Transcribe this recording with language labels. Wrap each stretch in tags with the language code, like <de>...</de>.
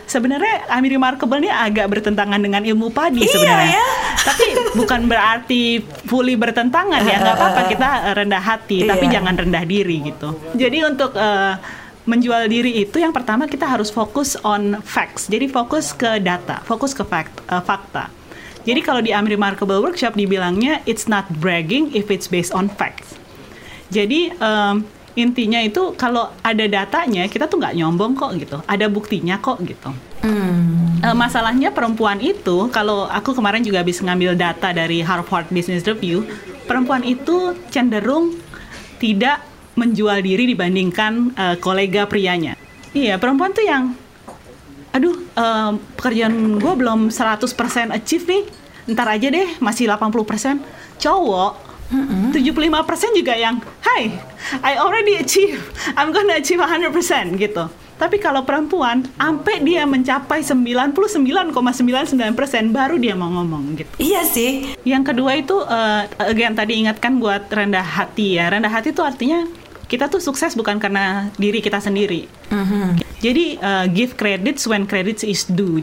<id>Sebenarnya I'm Remarkable ini agak bertentangan dengan ilmu padi sebenarnya. Iya, ya. Tapi bukan berarti fully bertentangan ya. Enggak apa-apa kita rendah hati, iya. Tapi jangan rendah diri gitu. Jadi untuk menjual diri itu yang pertama kita harus fokus</id> <en>on facts.</en> <id>Jadi fokus ke data, fokus ke fakta. Jadi kalau di I'm Remarkable Workshop dibilangnya</id> <en>it's not bragging if it's based on facts.</en> <id>Jadi intinya itu kalau ada datanya kita tuh nggak nyombong kok gitu, ada buktinya kok gitu. Masalahnya perempuan itu, kalau aku kemarin juga habis ngambil data dari Harvard Business Review, perempuan itu cenderung tidak menjual diri dibandingkan kolega prianya. Iya, perempuan tuh yang aduh, pekerjaan gue belum 100% achieve nih, ntar aja deh, masih 80%. Cowok, 75% juga yang,</id> <en>hey, I already achieve, I'm gonna achieve 100%,</en> <id>gitu. Tapi kalau perempuan, sampai dia mencapai 99,99%, baru dia mau ngomong, gitu. Iya sih. Yang kedua itu, again, tadi ingatkan buat rendah hati ya. Rendah hati itu artinya, kita tuh sukses bukan karena diri kita sendiri. Jadi</id> <en>give credits when credits is due.</en>